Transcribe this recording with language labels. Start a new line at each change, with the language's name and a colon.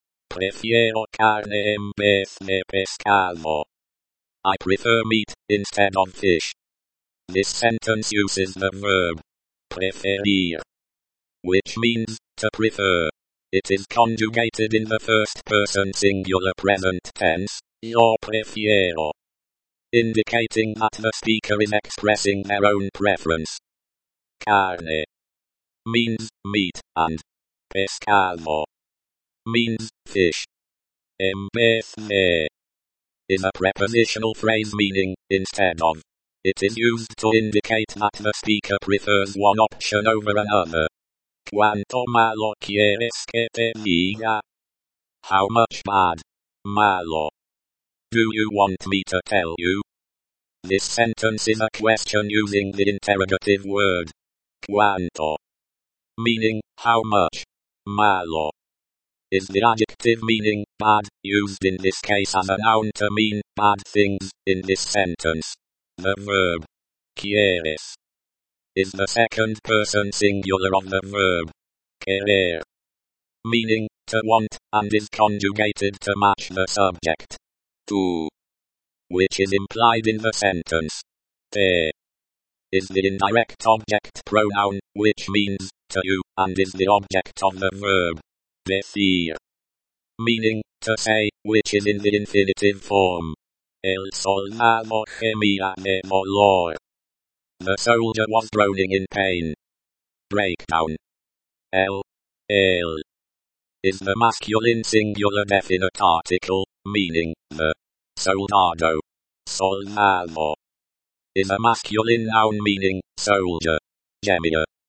Spanish: Prefiero carne en vez de pescado.
English: I prefer meat instead of fish. This sentence uses the verb preferir, which means to prefer. It is conjugated in the first person singular present tense,
Spanish: yo prefiero,
English: indicating that the speaker is expressing their own preference. Carne means meat, and pescado means fish.
Spanish: En vez de
English: is a prepositional phrase meaning instead of. It is used to indicate that the speaker prefers one option over another.
Spanish: ¿Cuánto malo quieres que te diga?
English: How much bad, malo, do you want me to tell you? This sentence is a question using the interrogative word cuánto, meaning how much, malo, is the adjective meaning bad, used in this case as a noun to mean bad things, in this sentence. The verb quieres is the second person singular of the verb querer, meaning to want, and is conjugated to match the subject. Tú which is implied in the sentence. Te is the indirect object pronoun, which means to you, and is the object of the verb decir, meaning to say, which is in the infinitive form.
Spanish: El soldado gemía de dolor.
English: The soldier was groaning in pain. Breakdown. El is the masculine singular definite article, meaning the soldado. Soldado is a masculine noun meaning soldier. Gemía.